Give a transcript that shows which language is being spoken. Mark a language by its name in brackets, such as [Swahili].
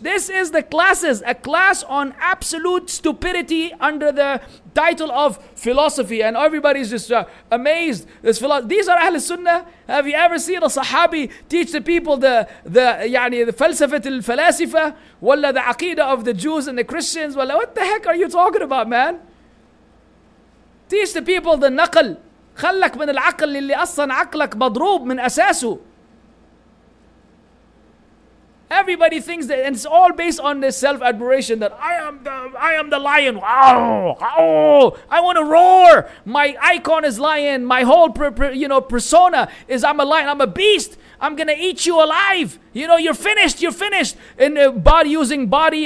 [English] This is the classes, a class on absolute stupidity under the title of philosophy. And everybody's just amazed. These are Ahl Sunnah. Have you ever seen a Sahabi teach the people the falsafat al-falasifa? Wallah, the aqidah of the Jews and the Christians? Wallah, what the heck are you talking about, man? Teach the people the naql. [Arabic] خلك من العقل اللي أصلا عقلك مضروب من أساسه. [English] Everybody thinks that, and it's all based on this self-admiration that I am the lion. I want to roar. My icon is lion. My whole persona is I'm a lion. I'm a beast. I'm going to eat you alive. You know, you're finished. You're finished. And using body.